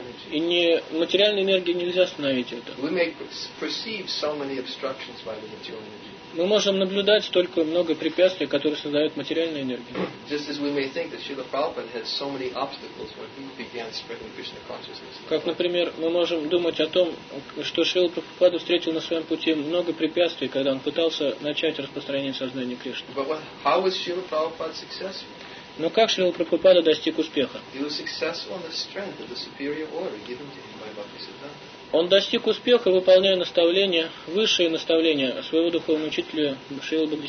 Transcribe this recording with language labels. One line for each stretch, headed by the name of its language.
Russian: И не материальной энергии нельзя остановить это. Мы можем
English: percieve so many obstructions by the material energy.
Russian: Мы можем наблюдать столько много препятствий, которые создают материальная энергия.
English: Just as we may think that Srila Prabhupada had so many obstacles when he began spreading Krishna consciousness.
Russian: Как, например, мы можем думать о том, что Шрила Прабхупада встретил на своем пути много препятствий, когда он пытался начать распространение сознания Кришны.
English: But how was Srila Prabhupada successful?
Russian: Но как Шрила Прабхупада достиг успеха?
English: He was successful in the strength of the superior order given to him by Bhaktisiddhanta.
Russian: Он достиг успеха, выполняя наставления, высшие наставления своего духовного учителя Шрилы